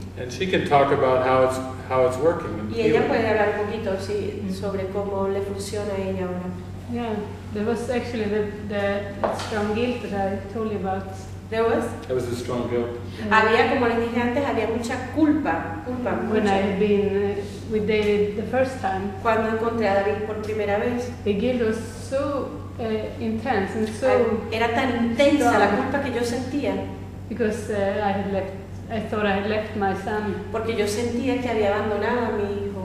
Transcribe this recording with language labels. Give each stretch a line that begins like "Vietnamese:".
English: And she can talk about how it's working.
Spanish: Y ella
English: healing.
Spanish: Puede hablar un poquito sí, sobre cómo le funciona a ella ahora.
English: Yeah, there was actually the strong guilt that I told you about. There was? There was a strong guilt.
Spanish: Había, como les dije antes, había mucha culpa.
English: When I had been with David the first time.
Spanish: Cuando encontré a David por primera vez.
English: The guilt was so intense and so
Spanish: era tan intensa
English: strong.
Spanish: La culpa que yo sentía.
English: Because I thought I had left my son.
Spanish: Porque yo sentía que había abandonado a mi hijo.